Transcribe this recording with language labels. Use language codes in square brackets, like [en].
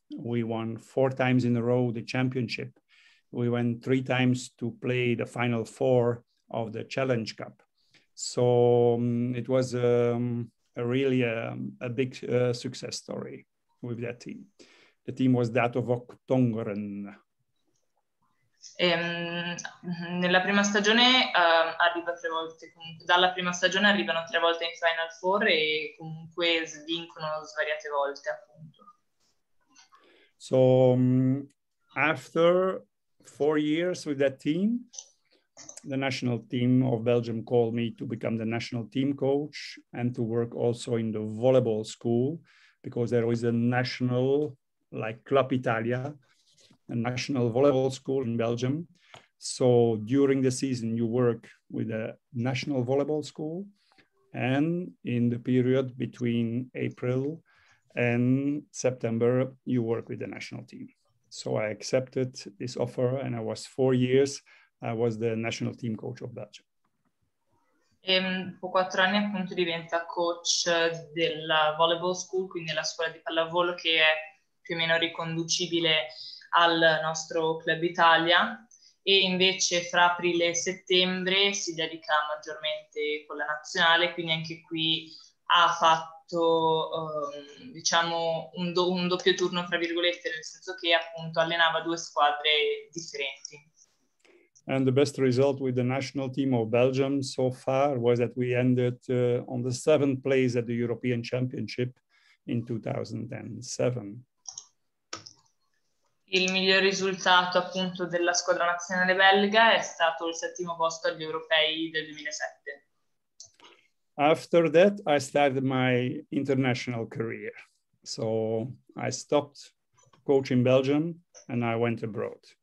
[en] We won 4 times in a row the championship. We went 3 times to play the final 4 of the Challenge Cup. So it was a really big success story with that team. The team was that of Octongren. [it] Nella prima stagione arriva 3 volte. Dalla prima stagione arrivano 3 volte in Final Four e comunque vincono svariate volte, appunto. [en] So after 4 years with that team, the national team of Belgium called me to become the national team coach and to work also in the volleyball school, because there is a national, like Club Italia, a national volleyball school in Belgium. So during the season, you work with a national volleyball school. And in the period between April and September, you work with the national team. So I accepted this offer and I was 4 years. I was the national team coach of Belgium. [it] Dopo 4 anni appunto diventa coach della volleyball school, quindi la scuola di pallavolo che è più o meno riconducibile al nostro Club Italia, e invece fra aprile e settembre si dedica maggiormente con la nazionale, quindi anche qui ha fatto diciamo un doppio turno tra virgolette, nel senso che appunto allenava due squadre differenti. [en] And the best result with the national team of Belgium so far was that we ended on the seventh place at the European Championship in 2007. [it] Il miglior risultato appunto della squadra nazionale belga è stato il settimo posto agli europei del 2007. [en] After that, I started my international career. So I stopped coaching Belgium and I went abroad.